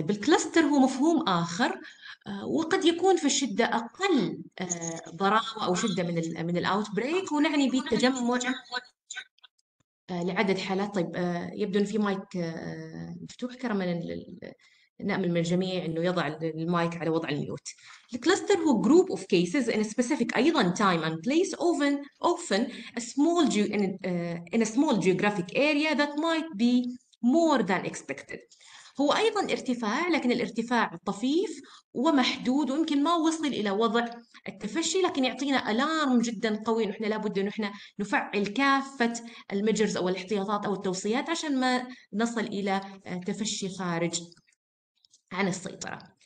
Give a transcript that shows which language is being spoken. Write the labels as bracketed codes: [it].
[ar] طيب الكلستر هو مفهوم آخر، وقد يكون في الشدة أقل ضراوة أو شدة من الأوت بريك، ونعني به التجمع لعدد حالات. طيب يبدو أن في مايك مفتوح، كرما نأمل من الجميع أنه يضع المايك على وضع الميوت. الكلستر هو [en] group of cases in a specific [ar] أيضا [en] time and place, often a small in a small geographic area that might be more than expected. [ar] هو أيضا ارتفاع، لكن الارتفاع طفيف ومحدود، ويمكن ما وصل إلى وضع التفشي، لكن يعطينا ألارم جدا قوي. نحن لابد أن نحن نفعل كافة المجرز أو الاحتياطات أو التوصيات عشان ما نصل إلى تفشي خارج عن السيطرة.